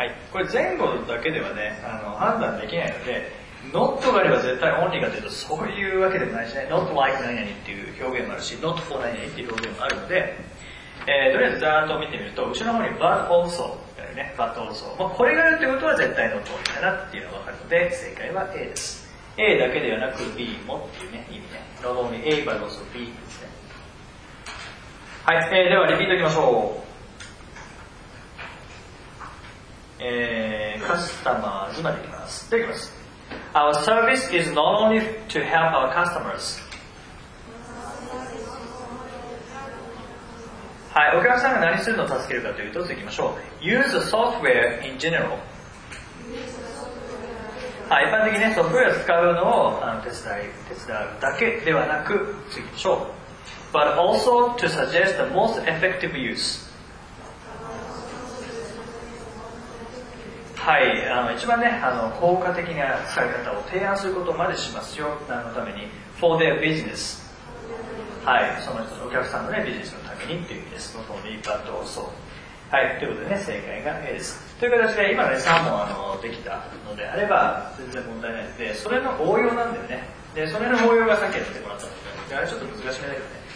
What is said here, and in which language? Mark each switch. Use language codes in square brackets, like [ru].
[ja] これ前後だけではね、判断できないので、not があれば絶対 only かというと、そういうわけでもないしね、 [en] not like [ja] 何々っていう表現もあるし、 [en] not for [ja] 何々っていう表現もあるので、とりあえずざーっと見てみると、後ろの方に but also というね、but also。まあ、これがあるということは絶対 not only かなっていうのがわかるので、正解は A です。 A だけではなく B もっていうね、意味ね。 [en] not only A but also B ですね。 [ja] はい、ではリピートいきましょう。カスタマーズまでいきます。いただきます。 [en] Our service is not only to help our customers. [ja] はい、お客さんが何するのを助けるかというと、次いきましょう。 [en] Use the software in general. [ja] はい、一般的に、ね、ソフトウェアを使うのを手伝うだけではなく、次いきましょう。 [en] But also to suggest the most effective use. [ja] はい、一番ね、効果的な使い方を提案することまでしますよ。何のために ? [en] for their business。 [ja] はい、その人のお客さんのね、ビジネスのためにっていう意味です。 [en] not only but also。 [ja] はい、ということでね、正解が A です。という形で、今ね、3問できたのであれば、全然問題ないので、それの応用なんだよね。で、それの応用がさっきやってもらったので、あれちょっと難しめだけどね。